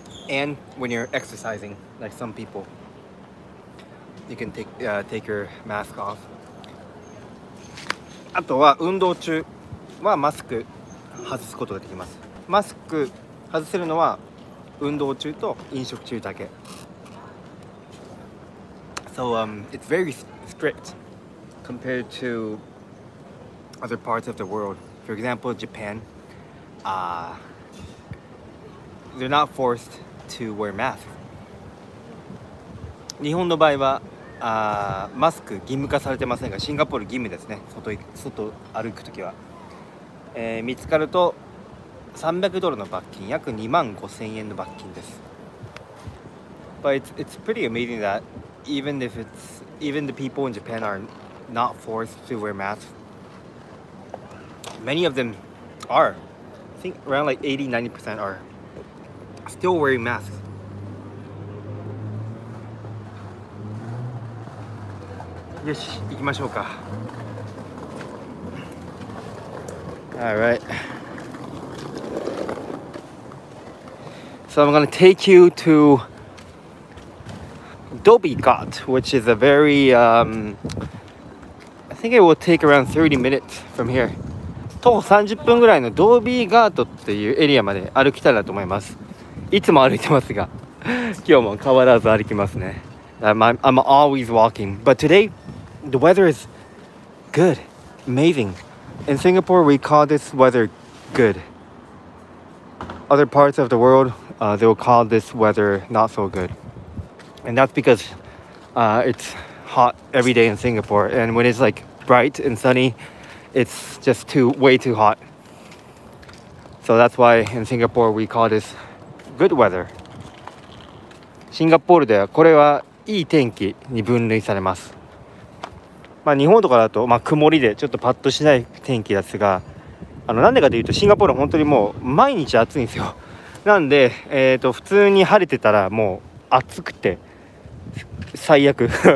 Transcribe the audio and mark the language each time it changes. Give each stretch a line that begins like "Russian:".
English: And when you're exercising, like some people, you can take your mask off.
Japanese: あとは運動中はマスク外すことができます。マスク外せるのは運動中と飲食中だけ。
English: So, it's very strict compared to other parts of the world. For example, Japan, they're not forced. To wear mask.
Japanese: 日本の場合はマスク義務化されてませんが、シンガポール義務ですね。外歩くときは、見つかると300ドルの罰金、約2万5000円の罰金です。
English: But it's pretty amazing that even the people in Japan are not forced to wear masks. Many of them are. I think around like 80-90% are. Still wearing masks.
Japanese: よし、行きましょうか。
English: All right. So I'm gonna take you to Dhoby Ghaut, which is a very, I think it will take around 30 minutes from here.
Japanese: 徒歩30分ぐらいのドービーガートっていうエリアまで歩きたいなと思います。いつも歩いてますが、今日も変わらず歩きますね。
English: I'm always walking, but today the weather is good, amazing. In Singapore, we call this weather good. Other parts of the world, they will call this weather not so good. And that's because it's hot every day in Singapore. And when it's like bright and sunny, it's just way too hot. So that's why in Singapore, we call thisGood weather.
Japanese: シンガポールではこれはいい天気に分類されます。まあ日本とかだとまあ曇りでちょっとパッとしない天気ですが、なんでかというとシンガポールは本当にもう毎日暑いんですよ。なんで普通に晴れてたらもう暑くて最悪。